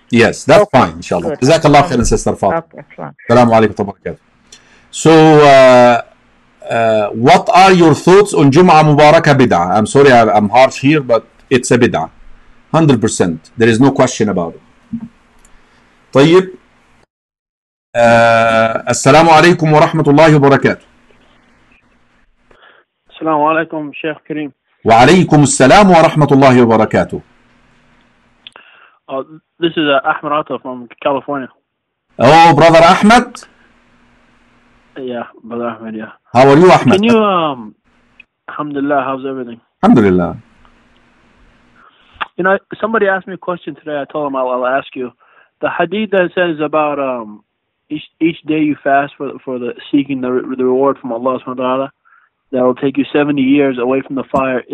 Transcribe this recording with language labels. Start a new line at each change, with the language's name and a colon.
English: Yes, that's okay. Fine, inshallah. Good. Jazakallah khairan, sister Fatima. Okay, fine. Salamu alaykum wa barakatuh. So, what are your thoughts on Jum'ah Mubarakah Bid'ah? I'm sorry, I'm harsh here, but it's a Bid'ah. 100%. There is no question about it.
Arabic: طيب. السلام عليكم ورحمة الله وبركاته. السلام عليكم شيخ كريم. وعليكم السلام ورحمة الله وبركاته.
English: This is Ahmed Atta from California. Oh, brother Ahmed. Yeah, brother Ahmed. Yeah. How are you, Ahmed? Can you Alhamdulillah, how's everything? Alhamdulillah. You know, somebody asked me a question today. I told him I'll ask you. The hadith that says about Each day you fast for the seeking the reward from Allah subhanahu wa ta'ala, that will take you 70 years away from the fire.